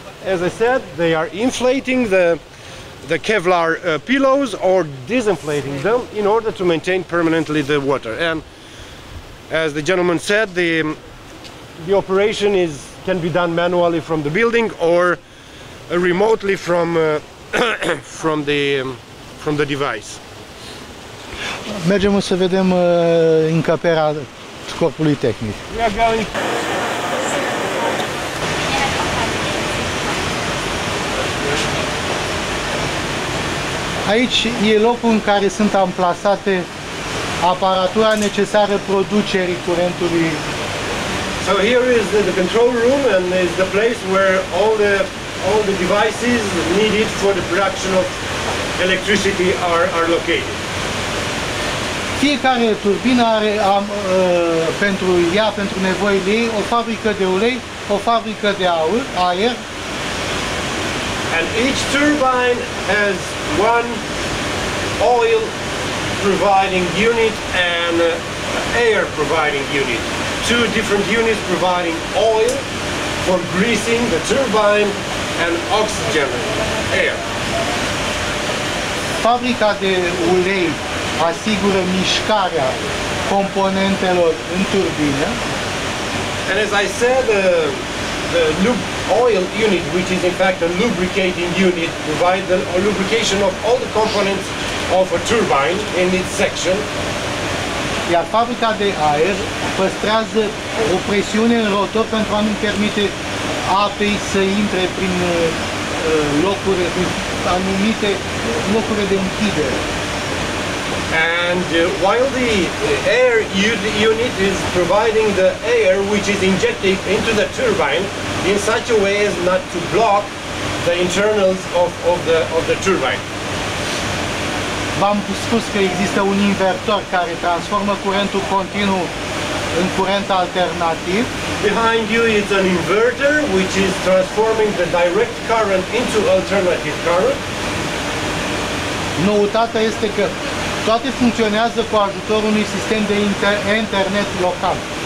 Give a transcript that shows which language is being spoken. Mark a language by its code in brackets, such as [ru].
[en] as I said, they are inflating the Kevlar pillows or disinflating them in order to maintain permanently the water. And as the gentleman said, the operation is can be done manually from the building or remotely from from the device. [ro] Mergem să vedem încăperea corpului tehnic. Aici e locul în care sunt amplasate aparatura necesară producerii curentului. [en] So here is the control room and is the place where all the devices needed for the production of electricity are located. [ro] Fiecare turbină are pentru nevoile ei o fabrică de ulei, o fabrică de aer. [en] And each turbine has one oil providing unit and air providing unit. Two different units providing oil for greasing the turbine and oxygen air. [ro] Fabrica de ulei asigură mișcarea componentelor în turbină. [en] And as I said, the oil unit, which is in fact a lubricating unit, provides the lubrication of all the components of a turbine in its section. [ro] Iar fabrica de aer păstrează o presiune în rotor pentru a nu permite apei să intre prin locuri, anumite locuri de închidere. [en] And while the air unit is providing the air which is injected into the turbine in such a way as not to block the internals of the turbine. [ro] V-am spus că există un invertor care transformă curentul continuu în curent alternativ. [en] Behind you is an inverter which is transforming the direct current into alternative current. [ro] Noutatea este că toate funcționează cu ajutorul unui sistem de internet local.